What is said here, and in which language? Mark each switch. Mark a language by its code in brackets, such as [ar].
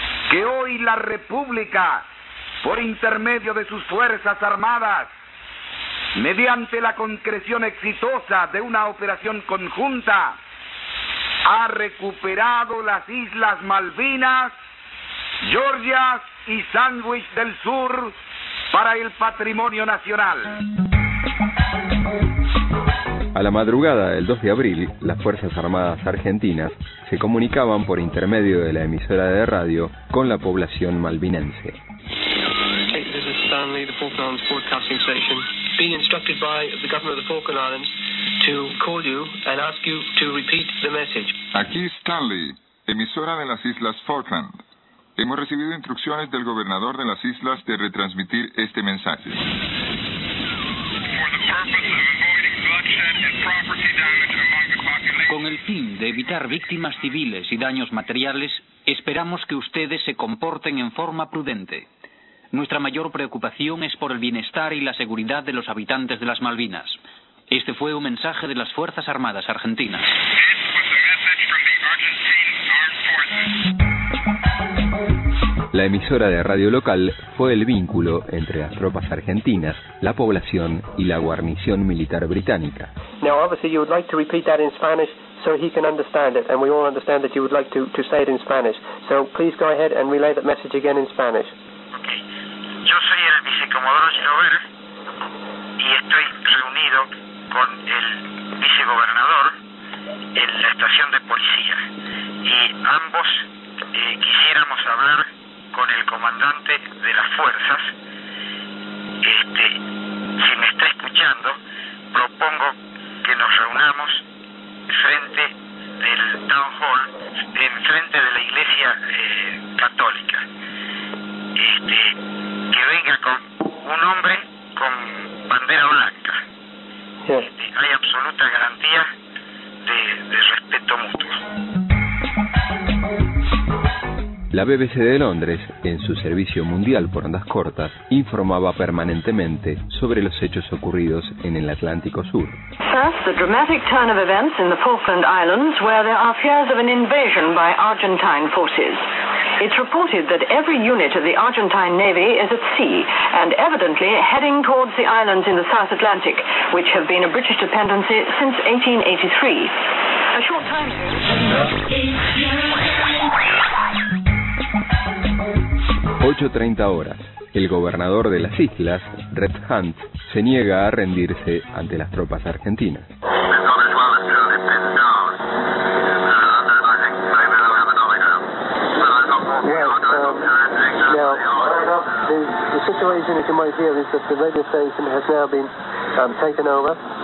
[es] que hoy la República, por intermedio de sus Fuerzas Armadas, mediante la concreción exitosa de una operación conjunta, ha recuperado las Islas Malvinas, Georgias y Sandwich del Sur para el patrimonio nacional. A la madrugada del 2 de abril, las Fuerzas Armadas Argentinas se comunicaban por intermedio de la emisora de radio con la población malvinense. [en] This is Stanley, the Falklands Broadcasting Station, being instructed by the government of the Falkland Islands to call you and ask you to repeat the message. [es] Aquí Stanley, emisora de las Islas Falkland. Hemos recibido instrucciones del gobernador de las islas de retransmitir este mensaje. Con el fin de evitar víctimas civiles y daños materiales, esperamos que ustedes se comporten en forma prudente. Nuestra mayor preocupación es por el bienestar y la seguridad de los habitantes de las Malvinas. Este fue un mensaje de las Fuerzas Armadas Argentinas. La emisora de radio local fue el vínculo entre las tropas argentinas, la población y la guarnición militar británica. [en] Now, obviously, you would like to repeat that in Spanish so he can understand it, and we all understand that you would like to say it in Spanish. So please go ahead and relay that message again in Spanish. [es] Okay. Yo soy el vicecomodoro Girobel y estoy reunido con el vicegobernador en la estación de policía. Y ambos quisiéramos hablar con el comandante de las fuerzas. Si me está escuchando, propongo que nos reunamos frente del Town Hall, en frente de la iglesia católica. Que venga con un hombre con bandera blanca. Hay absoluta garantía de respeto mutuo. La BBC de Londres, en su servicio mundial por ondas cortas, informaba permanentemente sobre los hechos ocurridos en el Atlántico Sur. [en] First, the dramatic turn of events in the Falkland Islands, where there are fears of an invasion by Argentine forces. It's reported that every unit of the Argentine Navy is at sea and evidently heading towards the islands in the South Atlantic, which have been a British dependency since 1883. A short time. [es] 8:30 horas. El gobernador de las islas, Red Hunt, se niega a rendirse ante las tropas argentinas. [en] The situation, as you might hear, is that the radio station has now been taken over.